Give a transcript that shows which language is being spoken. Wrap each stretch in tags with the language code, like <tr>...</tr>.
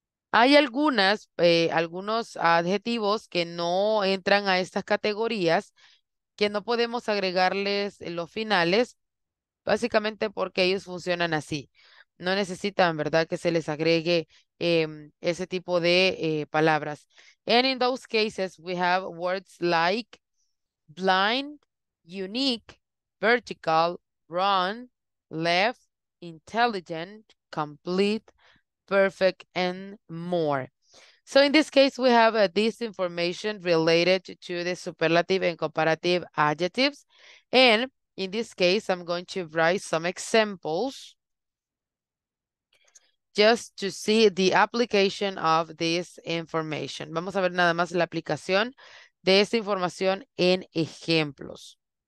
<es>Hay algunas, algunos adjetivos que no entran a estas categorías, que no podemos agregarles los finales, básicamente porque ellos funcionan así. No necesitan, ¿verdad?, que se les agregue ese tipo de palabras.</es> <en>And in those cases, we have words like blind, unique, vertical, run, left, intelligent, complete, perfect, and more. So in this case, we have this information related to the superlative and comparative adjectives. And in this case, I'm going to write some examples just to see the application of this information.</en> <es>Vamos a ver nada más la aplicación de esta información en ejemplos.</es>